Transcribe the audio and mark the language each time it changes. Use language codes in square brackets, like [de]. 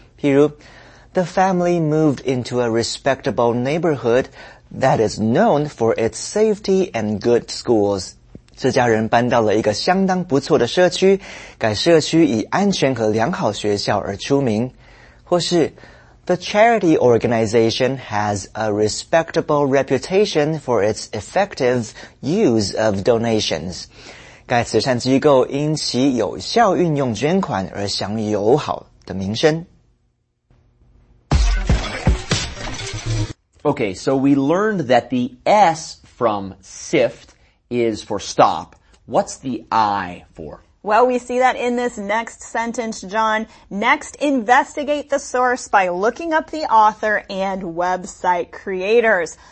[en] 譬如 The family moved into a respectable neighborhood that is known for its safety and good schools. [zh] 这家人搬到了一个相当不错的社区，该社区以安全和良好学校而出名。 [en] 或是 The charity organization has a respectable reputation for its effective use of donations. [zh] 该慈善机构因其有效运用捐款而享有好的名声。 [en] Okay, so we learned that the S from sift is for stop. What's the I for? Well, we see that in this next sentence, John. Next, investigate the source by looking up the author and website creators.